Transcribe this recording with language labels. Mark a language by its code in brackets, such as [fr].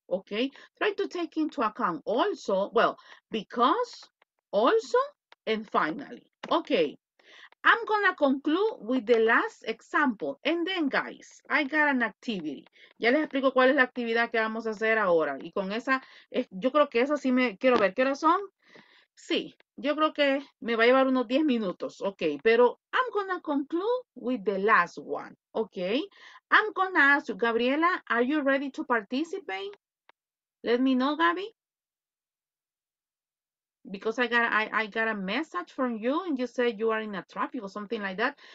[en] Okay, try to take into account also, well, because, also, and finally. Okay, I'm gonna conclude with the last example. And then, guys, I got an activity. [es] Ya les explico cuál es la actividad que vamos a hacer ahora. Y con esa, yo creo que esa sí me, quiero ver qué horas son. Sí, yo creo que me va a llevar unos 10 minutos, okay. Pero [en] I'm gonna conclude with the last one, okay. I'm gonna ask you, Gabriela, are you ready to participate? Let me know, Gabby. Because I got a message from you and you said you are in a traffic or something like that.